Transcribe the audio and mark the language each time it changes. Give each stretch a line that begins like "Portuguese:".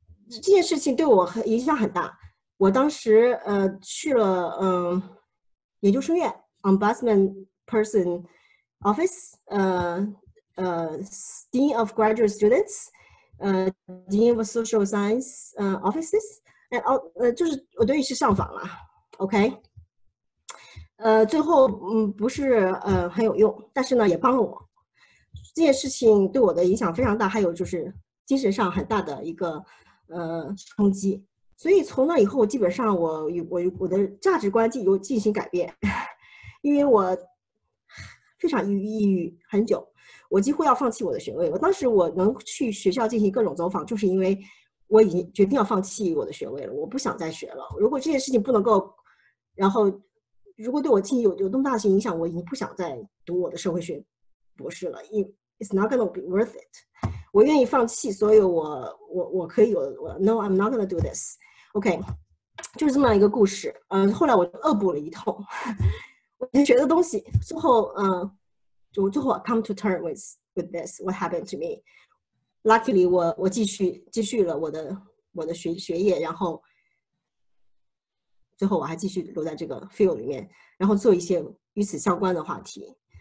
Chinese: 这件事情对我影响很大，我当时去了研究生院 Ombudsman Person Office Dean of Graduate Students, Dean of Social Science Offices, and, 就是我对于是上访了 OK。最后不是很有用，但是呢也帮了我，这件事情对我的影响非常大，还有就是精神上很大的一个冲击，所以从那以后基本上我的价值观就进行改变，因为我非常抑郁很久，我几乎要放弃我的学位。我当时我能去学校进行各种走访，就是因为我已经决定要放弃我的学位了，我不想再学了。如果这件事情不能够，然后如果对我进行有那么大的影响，我已经不想再读我的社会学博士了。
English: It's not gonna be worth it。
Chinese: 我愿意放弃所有我可以有我
English: No, I'm not gonna do this。
Chinese: OK， 就是这么一个故事。后来我恶补了一通我以前学的东西，最后就最后
English: come to terms with this what happened to me。
Chinese: Luckily 我继续了我的 学业，然后最后我还继续留在这个 field 里面，然后做一些与此相关的话题。